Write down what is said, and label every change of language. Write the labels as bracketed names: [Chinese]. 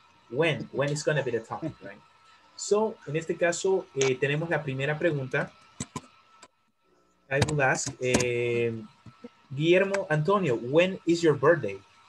[English] When is going to be the time, right? [Spanish] So, en este caso, tenemos la primera pregunta. [English] I will ask, Guillermo Antonio, when is your birthday?